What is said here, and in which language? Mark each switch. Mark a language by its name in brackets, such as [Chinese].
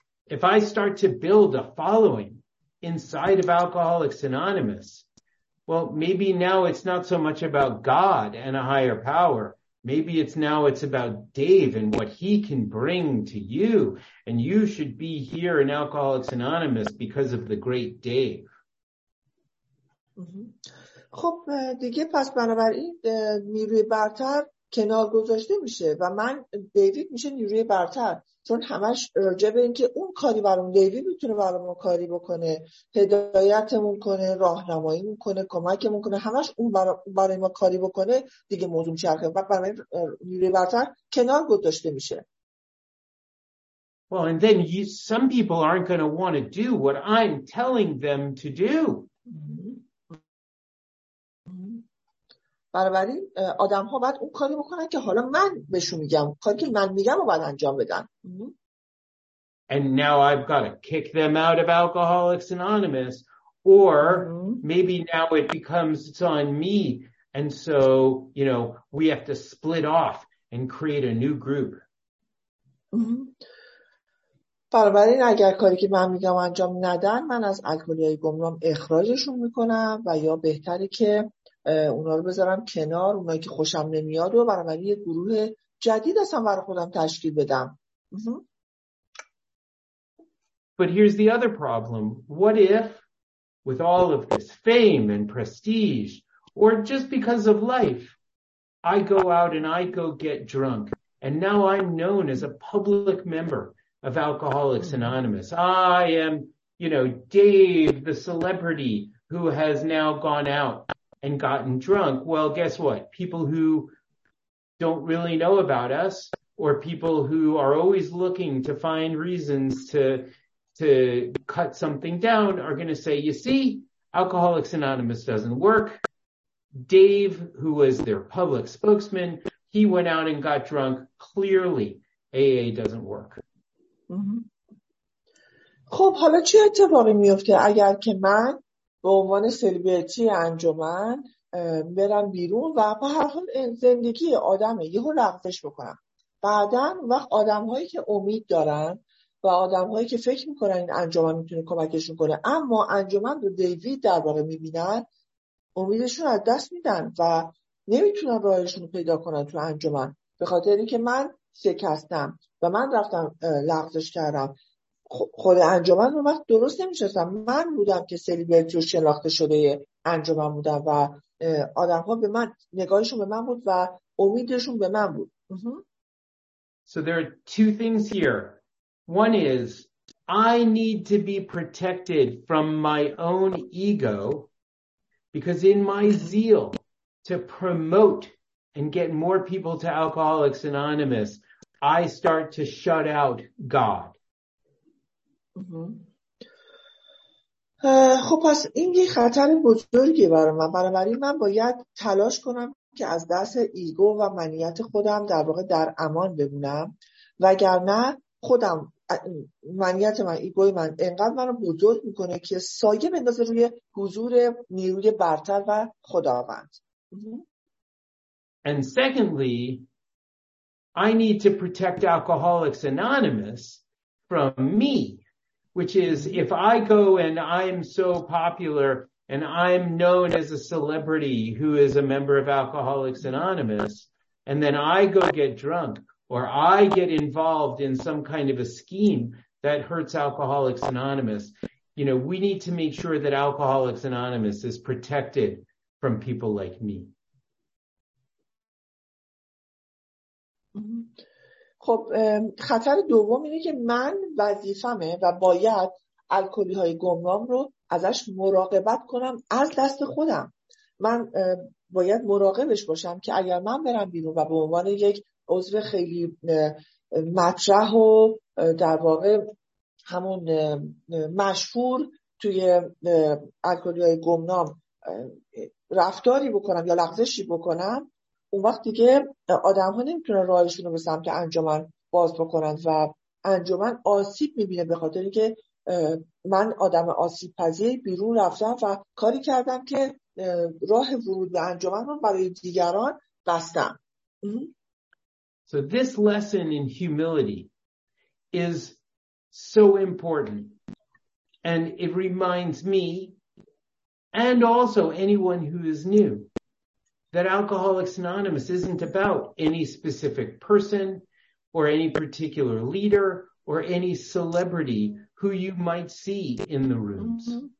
[English] If I start to build a following inside of Alcoholics Anonymous, well, maybe now it's not so much about God and a higher power. Maybe it's now it's about Dave and what he can bring to you. And you should be here in Alcoholics Anonymous because of the great Dave. [Persian] خب دیگه پس بنابراین نیروی برتر کنار گذاشته میشه و من دیوید میشه نیروی برتر چون همش راجع به این که اون کاری برام دیوید میتونه برام کاری بکنه هدایتمون کنه راهنماییمون کنه کمکمون کنه همش اون برای ما کاری بکنه دیگه موضوع چرخه و برای نیروی برتر کنار گذاشته میشه. [English] Well and then you, some people aren't going to want to do what I'm telling them to do. [Persian] بنابراین آدم ها باید اون کاری بکنن که حالا من بهشون میگم کاری که من میگم رو باید انجام بدن. [English] And now I've got to kick them out of Alcoholics Anonymous or maybe now it becomes it's on me and so you know we have to split off and create a new group. [Persian] بنابراین اگر کاری که من میگم انجام ندن من از الکلی های گمنام اخراجشون میکنم و یا بهتره که اونا رو بذارم کنار اونایی که خوشم نمیاد و برای من یه گروه جدید اصلا برای خودم تشکیل بدم. [English] But here's the other problem. What if with all of this fame and prestige or just because of life I go out and I go get drunk and now I'm known as a public member of Alcoholics Anonymous. I am, you know, Dave the celebrity who has now gone out and gotten drunk, well, guess what? People who don't really know about us or people who are always looking to find reasons to cut something down are going to say, you see, Alcoholics Anonymous doesn't work. Dave, who was their public spokesman, he went out and got drunk. Clearly, AA doesn't work. [Persian] خب حالا چه اتفاقی میفته اگر که من به عنوان سلبریتی انجمن برم بیرون و به هر حال زندگی آدمه یه رو لغزش بکنم بعدن وقت آدم هایی که امید دارن و آدم هایی که فکر میکنن این انجمن میتونه کمکشون کنه اما انجمن رو دیوید در واقع میبینن امیدشون از دست میدن و نمیتونن راهشون رو پیدا کنن تو انجمن به خاطر اینکه من شکستم و من رفتم لغزش کردم خود انجمن رو وقت درست نمی‌شناسم من بودم که سلیبریتی و شناخته شده انجمن بودم و آدم ها به من نگاهشون به من بود و امیدشون به من بود. [English] So there are two things here. One is I need to be protected from my own ego because in my zeal to promote and get more people to Alcoholics Anonymous I start to shut out God. [Persian] خب پس این یه خطر بزرگی برای من. برابری من باید تلاش کنم که از دست ایگو و منیت خودم در واقع در امان بمونم، وگرنه خودم منیت من، ایگوی من انقدر من رو بزرگ میکنه که سایه بندازه روی حضور نیروی برتر و خداوند. [English] And secondly, I need to protect Alcoholics Anonymous from me, which is if I go and I'm so popular and I'm known as a celebrity who is a member of Alcoholics Anonymous, and then I go get drunk or I get involved in some kind of a scheme that hurts Alcoholics Anonymous, you know, we need to make sure that Alcoholics Anonymous is protected from people like me. [Persian] خب خطر دوم اینه که من وظیفمه و باید الکلی های گمنام رو ازش مراقبت کنم از دست خودم. من باید مراقبش باشم که اگر من برم بیرون و به عنوان یک عضو خیلی مطرح و در واقع همون مشهور توی الکلی های گمنام رفتاری بکنم یا لغزشی بکنم، اون وقت دیگه آدم ها نمیتونن راهشون رو به سمت انجمن باز بکنن و انجمن آسیب میبینه به خاطر این که من آدم آسیب پذیر بیرون رفتم و کاری کردم که راه ورود به انجمن رو برای دیگران بستم. [English] So this lesson in humility is so important and it reminds me and also anyone who is new that Alcoholics Anonymous isn't about any specific person or any particular leader or any celebrity who you might see in the rooms.